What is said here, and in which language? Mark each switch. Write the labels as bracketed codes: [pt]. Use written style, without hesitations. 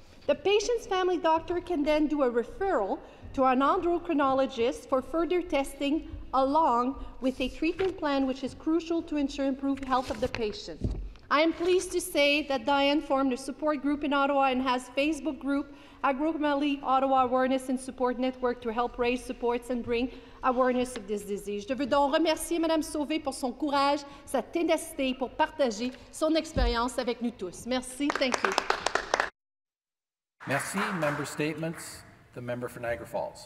[en] The patient's family doctor can then do a referral to an endocrinologist for further testing, along with a treatment plan which is crucial to ensure improved health of the patient. I am pleased to say that Diane formed a support group in Ottawa and has Facebook group Acromegaly Ottawa Awareness and Support Network to help raise supports and bring awareness of this disease. [fr] Je veux donc remercier Madame Sauvé pour son courage, sa ténacité pour partager son expérience avec nous tous. Merci, [en] thank you. [fr] Merci, [en] member statements. The member for Niagara Falls.